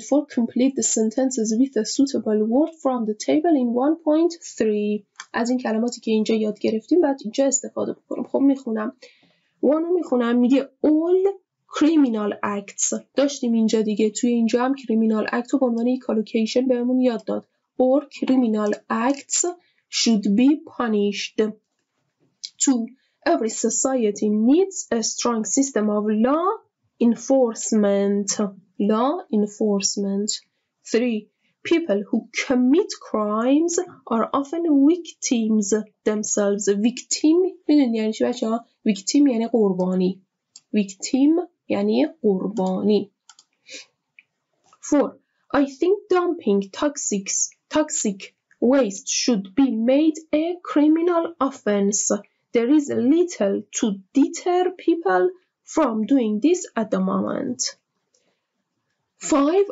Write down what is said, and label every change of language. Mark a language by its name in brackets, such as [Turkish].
[English] complete the sentences with a suitable word from the table in 1.3. [Persian] از این کلماتی که اینجا یاد گرفتیم بعد اینجا استفاده بکنم. خب میخونم. one رو میخونم. میگه [English] all criminal acts. [Persian] داشتیم اینجا دیگه. توی اینجا هم criminal act رو به عنوان یک کالوکیشن بهمون یاد داد. [English] Or criminal acts should be punished. Two. Every society needs a strong system of law enforcement. Law enforcement. Three. People who commit crimes are often victims themselves. Victim. [Persian] میدونی یعنی چی بچه ها؟ Victim یعنی قربانی. Victim یعنی قربانی. 4. [English] I think dumping toxic waste should be made a criminal offense. There is little to deter people from doing this at the moment. 5.